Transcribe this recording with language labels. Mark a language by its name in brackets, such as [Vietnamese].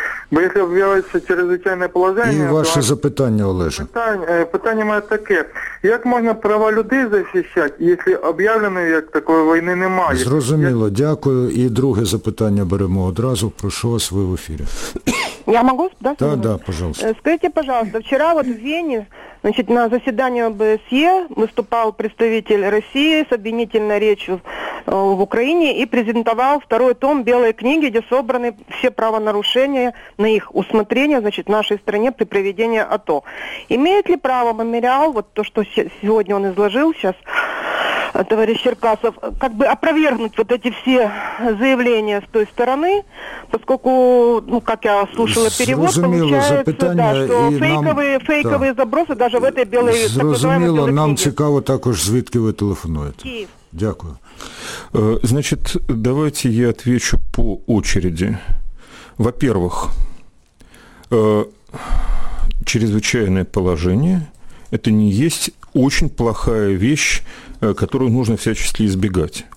[Ukrainian] Бо якщо об'являється чрезвичайне положення... І ваше запитання, Олеже. Питання має таке. Як можна права людей захищати, якщо об'явленої як такої війни немає? Зрозуміло, дякую. І друге запитання беремо одразу. Прошу вас, ви в ефірі. [Russian] Я могу? Да, да, пожалуйста. Скажите, пожалуйста, вчера вот в Вене, значит, на заседании ОБСЕ выступал представитель России с обвинительной речью в Украине и презентовал второй том Белой книги, где собраны все правонарушения на их усмотрение, значит, в нашей стране при проведении АТО. Имеет ли право мемориал, вот то, что сегодня он изложил сейчас, товарищ Черкасов, как бы опровергнуть вот эти все заявления с той стороны, поскольку, ну, как я слушала перевод, [Ukrainian] зрозуміло, [Russian] получается, да, что фейковые забросы даже в этой белой, так называемой, [Ukrainian] зрозуміло, нам цікаво також, звідки ви телефонуєте. [Russian] Киев. [Ukrainian] Дякую. [Russian] Значит, давайте я отвечу по очереди. Во-первых, чрезвычайное положение – это не есть очень плохая вещь, которую нужно всячески избегать.